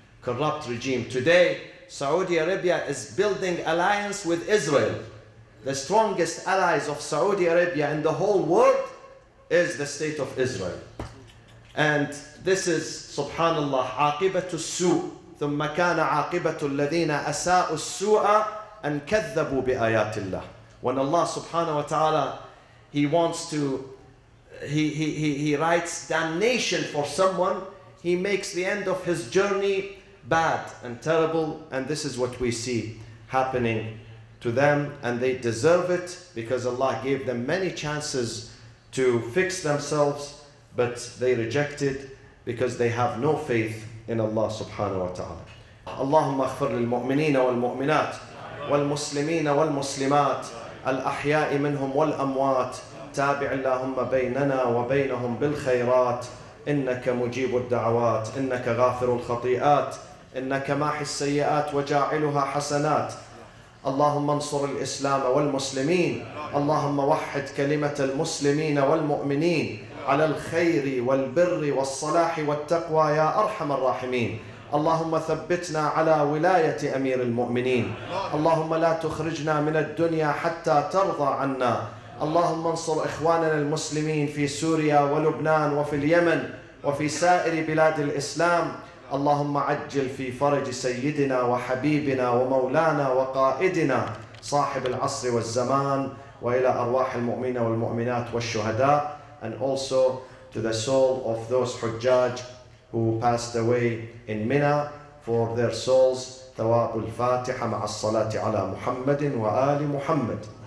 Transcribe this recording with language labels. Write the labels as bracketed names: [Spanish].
[English] Corrupt regime. Today, Saudi Arabia is building alliance with Israel. The strongest allies of Saudi Arabia in the whole world is the state of Israel. And this is, [Arabic] subhanAllah, عاقبت السوء ثم كان عاقبة الذين أساءوا السوء أن كذبوا بآيات الله. [English] When Allah subhanahu wa ta'ala, He wants to, he writes damnation for someone, He makes the end of his journey bad and terrible, and this is what we see happening to them, and they deserve it because Allah gave them many chances to fix themselves, but they rejected because they have no faith in Allah subhanahu wa ta'ala. [Arabic] Allahumma aghfir lil mu'minin wal mu'minat wal muslimin wal muslimat al ahya'i minhum wal amwat tabi' allahumma baynana wa baynahum bil khayrat innaka mujibud da'awat innaka ghafirul khati'at innaka mahis sayyi'at wa ja'iluha hasanat. Allahumma ansur al-islam wal muslimin, Allahumma wahhid kalimata al muslimin wal mu'minin على الخير والبر والصلاح والتقوى يا أرحم الراحمين. اللهم ثبتنا على ولاية أمير المؤمنين. اللهم لا تخرجنا من الدنيا حتى ترضى عنا. اللهم انصر إخواننا المسلمين في سوريا ولبنان وفي اليمن وفي سائر بلاد الإسلام. اللهم عجل في فرج سيدنا وحبيبنا ومولانا وقائدنا صاحب العصر والزمان وإلى أرواح المؤمنين والمؤمنات والشهداء. [English] And also to the soul of those Hujjaj who passed away in Mina, for their souls, [Arabic] Tawab al-Fatiha ma'as-salati ala Muhammadin wa ali Muhammad.